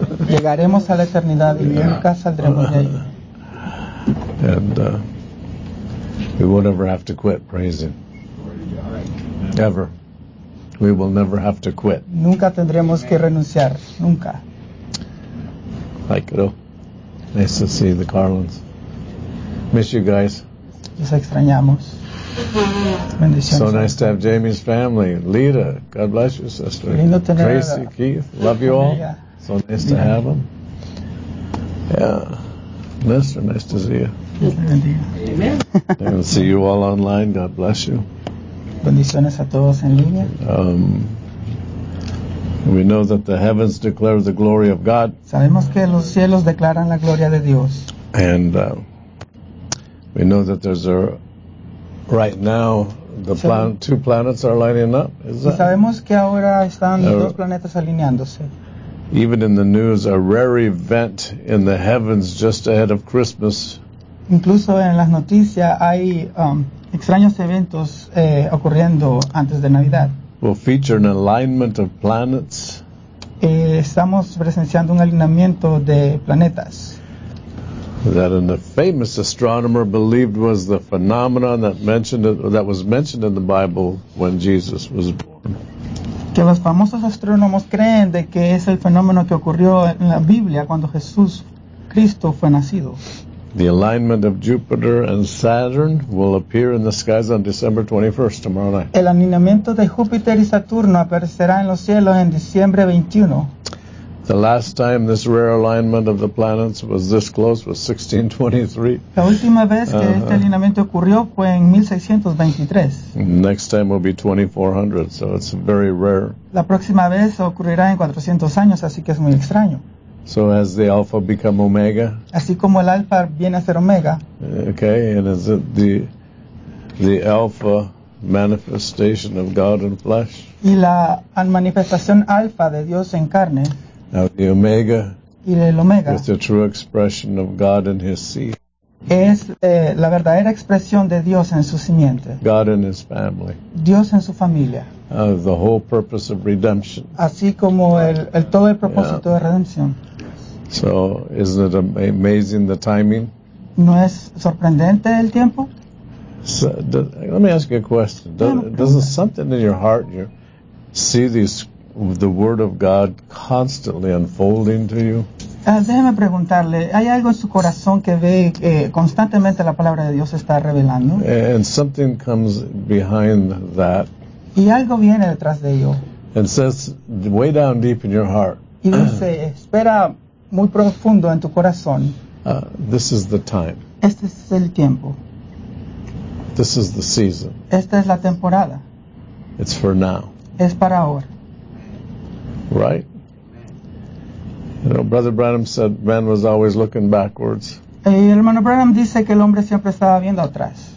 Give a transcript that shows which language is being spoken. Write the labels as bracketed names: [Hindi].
[Spanish] Llegaremos a la eternidad y nunca saldremos de ahí. [English] And we won't ever have to quit praising. Ever. We will never have to quit. [Spanish] Nunca tendremos que renunciar. Nunca. [English] Like it. Nice to see the Carlins. Miss you guys. [Spanish] Les extrañamos. [English] So nice to have Jamie's family. Lita, God bless you, sister. [Spanish] Lindo tener [English] Tracy, Keith, love you all. So nice to have them. Yeah. Mister, nice to see you. Amen. And see you all online. God bless you. [Spanish] Bendiciones a todos en línea. [English] We know that the heavens declare the glory of God. [Spanish] Sabemos que los cielos declaran la gloria de Dios. [English] And we know that there's a right now the two planets are lining up. Is that? [Spanish] Y sabemos que ahora están dos planetas alineándose. [English] Even in the news, a rare event in the heavens just ahead of Christmas. [Spanish] Incluso en las noticias hay extraños eventos ocurriendo antes de Navidad. [English] We'll feature an alignment of planets. [Spanish] Estamos presenciando un alineamiento de planetas. [English] That a famous astronomer believed was the phenomenon that was mentioned in the Bible when Jesus was born. [Spanish] Que los famosos astrónomos creen de que es el fenómeno que ocurrió en la Biblia cuando Jesús Cristo fue nacido. [English] The alignment of Jupiter and Saturn will appear in the skies on December 21st, tomorrow night. [Spanish] El alineamiento de Júpiter y Saturno aparecerá en los cielos en diciembre 21. [English] The last time this rare alignment of the planets was this close was 1623. [Spanish] La última vez que este alineamiento ocurrió fue en 1623. [English] Next time will be 2400, so it's very rare. [Spanish] La próxima vez ocurrirá en 400 años, así que es muy extraño. [English] So as the alpha become omega. [Spanish] Así como el alfa viene a ser omega. [English] Okay, and is it the alpha manifestation of God in flesh? [Spanish] Y la manifestación alfa de Dios en carne. [English] Now the omega, [Spanish] y el omega [English] is the true expression of God in his seed. [Spanish] Es la verdadera expresión de Dios en su simiente. [English] God in his family. [Spanish] Dios en su familia. [English] The whole purpose of redemption. [Spanish] Así como el todo el propósito de redención. [English] So, isn't it amazing the timing? [Spanish] ¿No es sorprendente el tiempo? [English] Let me ask you a question. Does something in your heart, you see the word of God constantly unfolding to you? [Spanish] Déjeme preguntarle, ¿hay algo en su corazón que ve constantemente la palabra de Dios está revelando? [English] And something comes behind that. [Spanish] Y algo viene detrás de ello. [English] And says, way down deep in your heart. [Spanish] Y dice, espera muy profundo en tu corazón. [English] This is the time. [Spanish] Este es el tiempo. [English] This is the season. [Spanish] Esta es la temporada. [English] It's for now. [Spanish] Es para ahora. [English] Right? You know, Brother Branham said man was always looking backwards. [Spanish] El hermano Branham dice que el hombre siempre estaba viendo atrás.